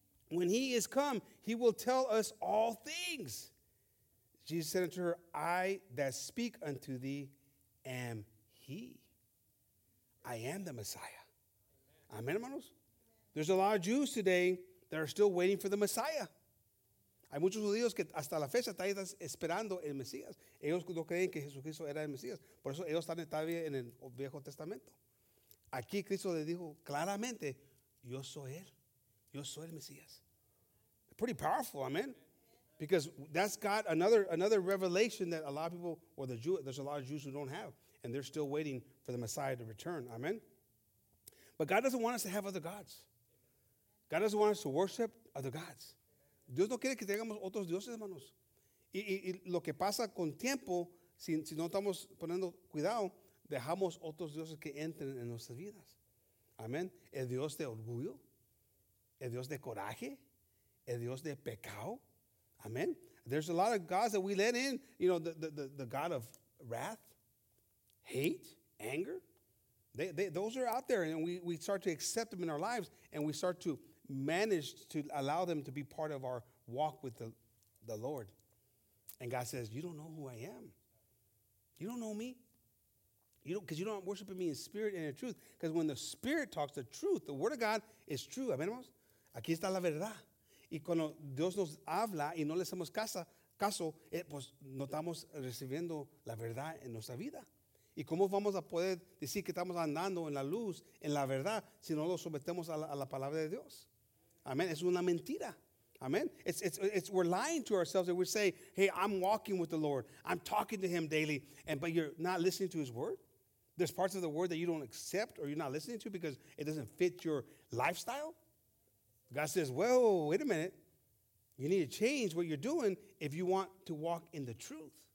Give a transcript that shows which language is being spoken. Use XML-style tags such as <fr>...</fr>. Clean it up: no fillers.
<en>When he is come, he will tell us all things. Jesus said unto her, I that speak unto thee am he. I am the Messiah. Amen, hermanos? There's a lot of Jews today that are still waiting for the Messiah.</en> <es>Hay muchos judíos que hasta la fecha están esperando el Mesías. Ellos no creen que Jesucristo era el Mesías. Por eso ellos están todavía en el Viejo Testamento. Aquí Cristo les dijo claramente, yo soy él. Yo soy el Mesías.</es> <en>Pretty powerful,</en> <es>amen.</es> <en>Because that's got another revelation that a lot of people, or the Jew, there's a lot of Jews who don't have. And they're still waiting for the Messiah to return, amen. But God doesn't want us to have other gods. God doesn't want us to worship other gods.</en> <es>Dios no quiere que tengamos otros dioses, hermanos. Y lo que pasa con tiempo, si no estamos poniendo cuidado, dejamos otros dioses que entren en nuestras vidas. Amén. El Dios de orgullo. El Dios de coraje. El Dios de pecado. Amén.</es> <en>There's a lot of gods that we let in. You know, the God of wrath, hate, anger. They those are out there, and we start to accept them in our lives, and we start to managed to allow them to be part of our walk with the Lord. And God says, you don't know who I am. You don't know me. You don't, because you don't worship me in spirit and in truth. Because when the Spirit talks, the truth, the Word of God is true.</en> <es>Amen, hermanos? Aquí está la verdad. Y cuando Dios nos habla y no le hacemos caso, pues no estamos recibiendo la verdad en nuestra vida. ¿Y cómo vamos a poder decir que estamos andando en la luz, en la verdad, si no lo sometemos a la palabra de Dios? Amén. Es una mentira. Amén.</es> <en>It's we're lying to ourselves and we say, hey, I'm walking with the Lord. I'm talking to him daily, but you're not listening to his word. There's parts of the word that you don't accept or you're not listening to because it doesn't fit your lifestyle. God says, well, wait a minute. You need to change what you're doing if you want to walk in the truth.</en>